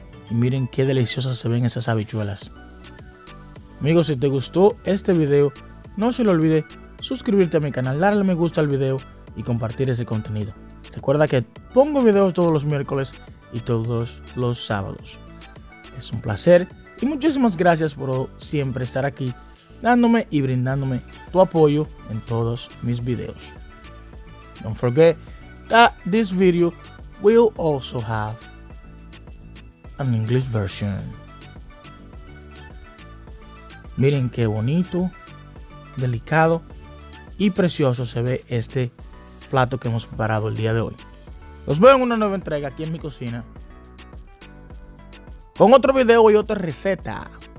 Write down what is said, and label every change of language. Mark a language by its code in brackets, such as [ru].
[es] Y miren qué deliciosas se ven esas habichuelas. Amigos, si te gustó este video, no se lo olvide suscribirte a mi canal, darle me gusta al video y compartir ese contenido. Recuerda que pongo videos todos los miércoles y todos los sábados. Es un placer y muchísimas gracias por siempre estar aquí dándome y brindándome tu apoyo en todos mis videos. [en] Don't forget that this video will also have an English version. [es] Miren qué bonito, delicado y precioso se ve este plato que hemos preparado el día de hoy. Los veo en una nueva entrega aquí en mi cocina. Con otro video y otra receta.